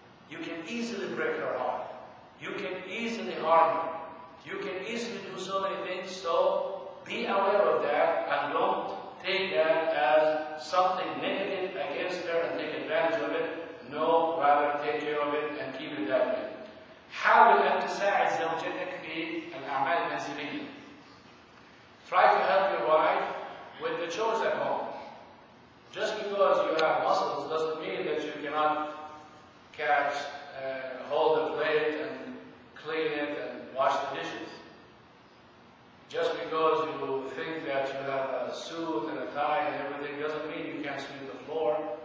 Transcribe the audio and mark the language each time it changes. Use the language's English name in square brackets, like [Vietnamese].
[English] You can easily break your heart. You can easily harm them. You can easily do so many things. So be aware of that and don't take that as something negative against her and take advantage of it. No, rather take care of it and keep it that way. [Arabic] حاول أن تساعد زوجتك في الأعمال المنزلية. [English] Try to help your wife with the chores at home. Just because you have muscles doesn't mean that you cannot catch, hold a plate and clean it and wash the dishes. Just because you think that you have a suit and a tie and everything doesn't mean you can't sweep the floor.